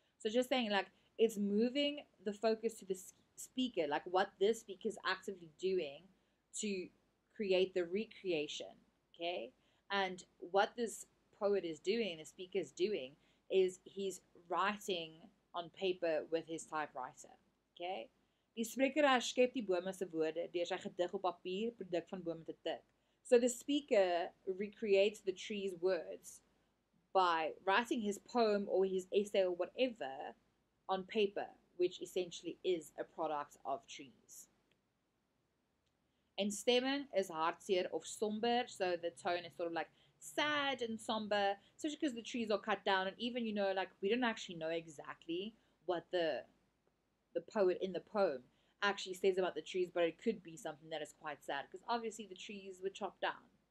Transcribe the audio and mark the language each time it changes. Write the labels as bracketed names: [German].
[English] So just saying, like, it's moving the focus to the speaker, like what this speaker is actively doing to create the recreation, okay? And what this poet is doing, the speaker is doing, is he's writing on paper with his typewriter, okay? [Afrikaans] Die spreker herskep die bome se woorde deur sy gedig op papier, produk van bome te tik. [English] So the speaker recreates the tree's words by writing his poem or his essay or whatever on paper, which essentially is a product of trees. [Afrikaans] En stemming is hartseer of somber, [English] so the tone is sort of like sad and somber, especially because the trees are cut down, and even, you know, like, we don't actually know exactly what the poet in the poem actually says about the trees, but it could be something that is quite sad, because obviously the trees were chopped down.